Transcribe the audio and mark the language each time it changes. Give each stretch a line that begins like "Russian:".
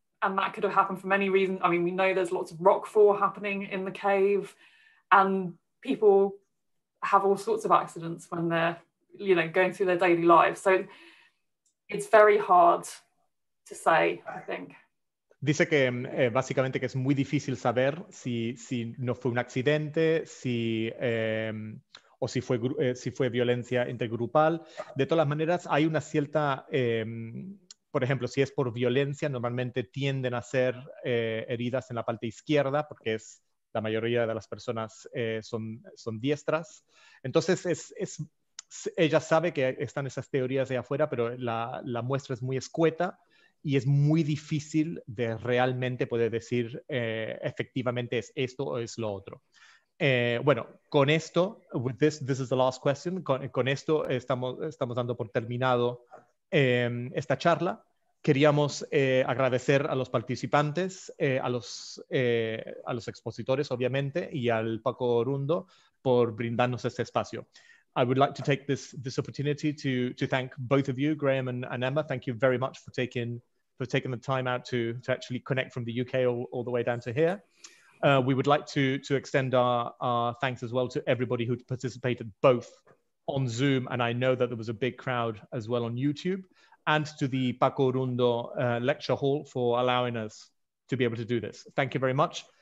English: And that could have happened for many reasons. I mean, we know there's lots of rock fall happening in the cave, and people have all sorts of accidents when they're, you know, going through their daily lives. So it's very hard to say, I think.
Spanish: Dice que básicamente que es muy difícil saber si no fue un accidente, si fue violencia intergrupal. De todas las maneras, hay una cierta, por ejemplo, si es por violencia, normalmente tienden a ser heridas en la parte izquierda, porque es la mayoría de las personas son diestras. Entonces, ella sabe que están esas teorías de afuera, pero la muestra es muy escueta. Y es muy difícil de realmente poder decir efectivamente es esto o es lo otro. Bueno, con esto,
English: this is the last question,
Spanish: con esto estamos dando por terminado esta charla. Queríamos agradecer a los participantes, a los expositores, obviamente, y al Paco Orundo por brindarnos este espacio.
English: I would like to take this opportunity to thank both of you, Graeme and Emma. Thank you very much for taking the time out to actually connect from the UK all the way down to here. We would like to extend our thanks as well to everybody who participated both on Zoom, and I know that there was a big crowd as well on YouTube, and to the Paco Orundo Lecture Hall for allowing us to be able to do this. Thank you very much.